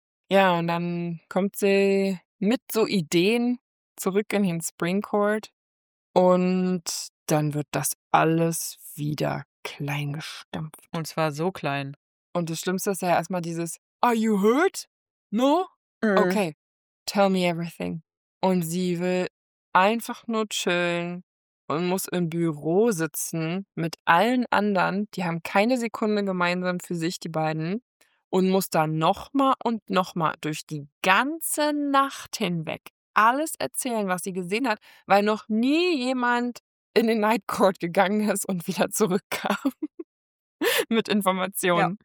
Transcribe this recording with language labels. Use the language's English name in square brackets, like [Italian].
[German] Ja, und dann kommt sie mit so Ideen zurück in den Spring Court. Und dann wird das alles wieder klein gestampft. Und zwar so klein. Und das Schlimmste ist ja erstmal dieses, [English] are you hurt? No? Okay, tell me everything. [German] Und sie will einfach nur chillen und muss im Büro sitzen mit allen anderen. Die haben keine Sekunde gemeinsam für sich, die beiden. Und muss da nochmal und nochmal durch die ganze Nacht hinweg alles erzählen, was sie gesehen hat, weil noch nie jemand in den Night Court gegangen ist und wieder zurückkam mit Informationen.